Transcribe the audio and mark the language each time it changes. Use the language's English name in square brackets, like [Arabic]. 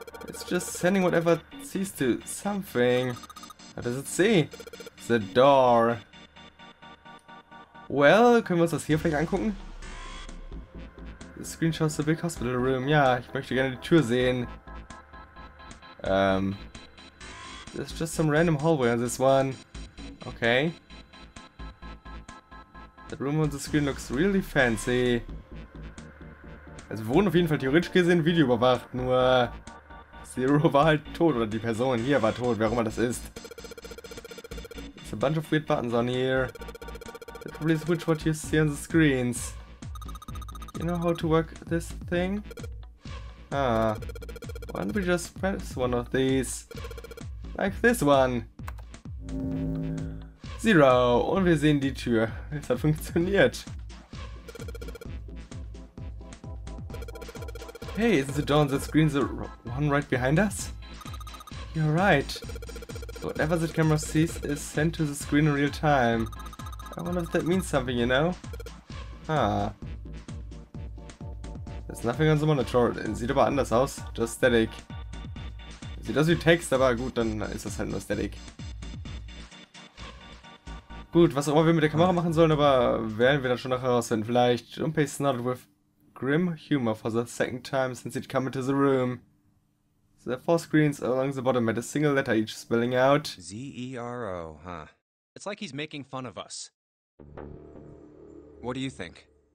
[English] It's just sending whatever it sees to something. What does it say? The door. [German] Well, können wir uns das hier vielleicht angucken? [English] The screen shows the big hospital room. [German] Ja, ich möchte gerne die Tür sehen. [English] There's just some random hallway on this one. Okay. The room on the screen looks really fancy. [German] Also wir wurden auf jeden Fall theoretisch gesehen Video überwacht, nur... Zero war halt tot, oder die Person hier war tot, wer auch immer das ist. [English] A bunch of weird buttons on here. They probably switch what you see on the screens. You know how to work this thing? Ah. Why don't we just press one of these? Like this one. [German] Zero. Und wir sehen die Tür. Es hat funktioniert. [English] Hey, isn't the door on the screen the one right behind us? You're right. Whatever the camera sees is sent to the screen in real time. I wonder if that means something, you know? Huh. There's nothing on the monitor. [German] Sieht aber anders aus. [English] Just static. [German] Sieht aus wie Text, aber gut, dann ist das halt nur static. Gut, was auch immer wir mit der Kamera machen sollen, aber werden wir dann schon nachher rausfinden. Vielleicht [English] Junpei snorted with grim humor for the second time since he'd come into the room. There are four screens along the bottom at a single letter each spelling out. Z-E-R-O, huh. It's like he's making fun of us. What do you think?